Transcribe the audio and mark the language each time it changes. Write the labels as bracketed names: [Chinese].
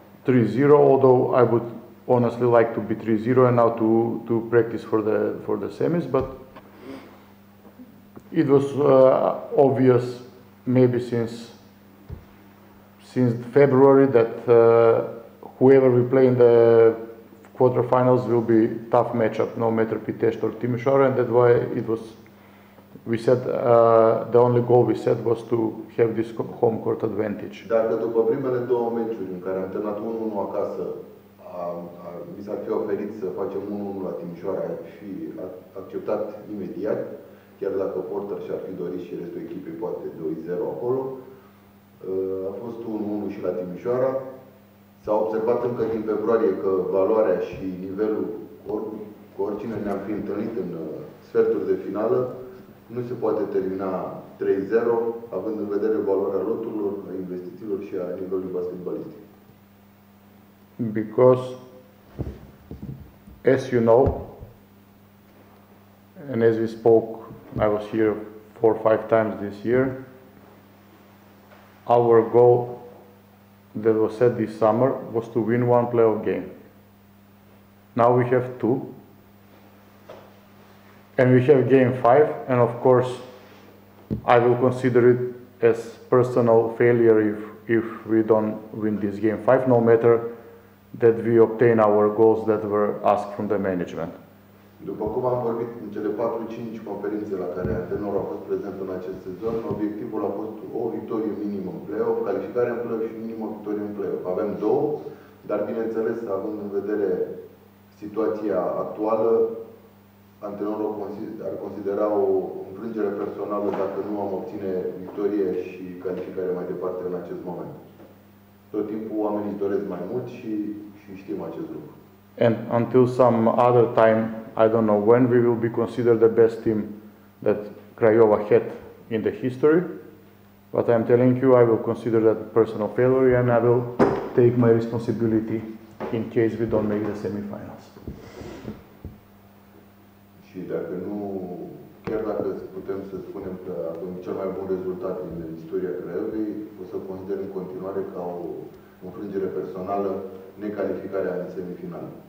[English] 3-0, although I would honestly like to be 3-0 and now to practice for the semis, but it was obvious maybe since February that whoever we play in the quarterfinals will be tough matchup, no matter Pitești or Timișoara, and that's why it was, we said, the only goal we set was to have this home court advantage. [Romanian] Dacă după primele două meciuri în care am terminat 1-1 acasă, mi s-ar fi oferit să facem 1-1 la Timișoara, fi acceptat imediat, chiar dacă Porter și-ar fi dorit și restul echipei poate 2-0 acolo. A fost 1-1 și la Timișoara. S-a observat încă din februarie că valoarea și nivelul cu oricine ne-am fi întâlnit în sferturi de finală nu se poate termina 3-0, având în vedere valoarea loturilor, a investițiilor și a nivelului basketbalistic. [English] Because, as you know, and as we spoke, I was here 4 or 5 times this year, our goal that was set this summer was to win one playoff game. Now we have 2, and we have game 5, and of course I will consider it as personal failure if we don't win this game 5, no matter that we obtain our goals that were asked from the management. [Romanian] După cum am vorbit în cele 4-5 conferințe la care antrenorul a fost prezent în acest sezon, obiectivul a fost o victorie minimă în play-off, calificarea în play-off și minimă victorie în play-off. Avem 2, dar bineînțeles, având în vedere situația actuală, antrenorul ar considera o înfrângere personală dacă nu am obține victorie și calificare mai departe în acest moment. Tot timpul oamenii doresc mai mult și știm acest lucru. [English] And until some other time, I don't know when we will be considered the best team that Craiova had in the history, but I'm telling you, I will consider that personal failure and I will take my responsibility in case we don't make the semifinals. [Romanian] Și dacă nu, chiar dacă putem să spunem că avem cel mai bun rezultat din istoria Craiovei, o să consider în continuare ca o înfrângere personală necalificarea în semifinal.